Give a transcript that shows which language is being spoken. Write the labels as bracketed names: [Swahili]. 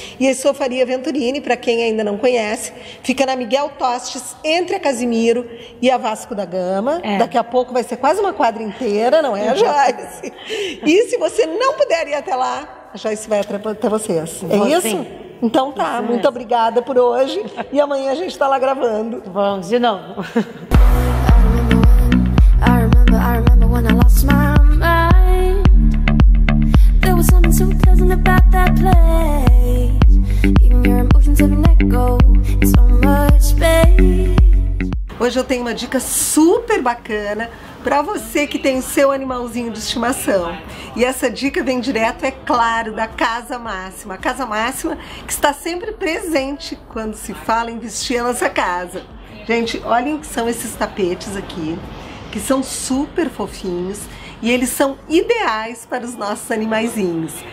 [Portuguese] E a Estofaria Venturini, para quem ainda não conhece, fica na Miguel Tostes, entre a Casimiro e a Vasco da Gama. É. Daqui a pouco vai ser quase uma quadra inteira, não é, Joyce? E se você não puder ir até lá, a Joyce vai até vocês. É você. Isso? Então tá, isso muito mesmo. Obrigada por hoje e amanhã a gente tá lá gravando. Vamos de novo. [English] I remember when I lost my mind. There was something so pleasant about that place. Even your emotions have an echo in so much space. [Portuguese] Hoje eu tenho uma dica super bacana para você que tem o seu animalzinho de estimação. E essa dica vem direto, é claro, da Casa Máxima. A Casa Máxima que está sempre presente quando se fala em vestir a nossa casa. Gente, olhem o que são esses tapetes aqui, que são super fofinhos e eles são ideais para os nossos animaizinhos.